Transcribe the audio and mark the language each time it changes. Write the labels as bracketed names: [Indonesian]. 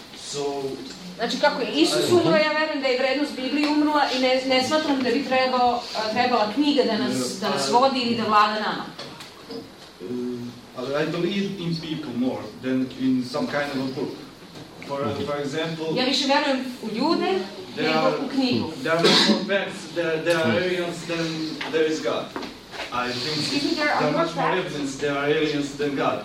[English] So. [Serbian] Znači, kako je Isus umro, ja verujem da je vrednost Biblije umrla I ne smatram da bi trebala knjiga da nas vodi ili da vlada nama. [English] I believe in people more than in some kind of a book. For example... [Serbian] Ja više verujem u ljude nego u knjigu. [English] There are more facts, there are aliens than there is God. I think there are much more evidence there are aliens than God.